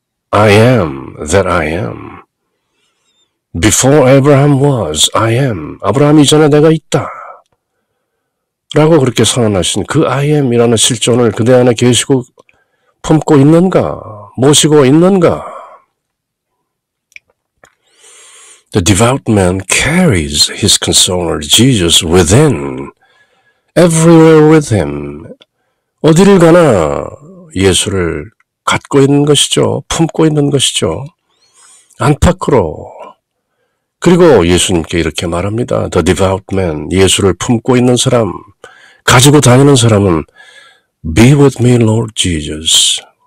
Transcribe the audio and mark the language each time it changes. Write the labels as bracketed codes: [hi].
[en] I am that I am. Before Abraham was, I am. [ko] 아브라함 이전에 내가 있다. 라고 그렇게 선언하신 그 I am이라는 실존을 그대 안에 계시고 품고 있는가? 모시고 있는가? [en] The devout man carries his consoler, Jesus, within, everywhere with him. [ko] 어디를 가나 예수를 갖고 있는 것이죠. 품고 있는 것이죠. 안팎으로. 그리고 예수님께 이렇게 말합니다. [en] The devout man, [ko] 예수를 품고 있는 사람, 가지고 다니는 사람은 [en] Be with me, Lord Jesus.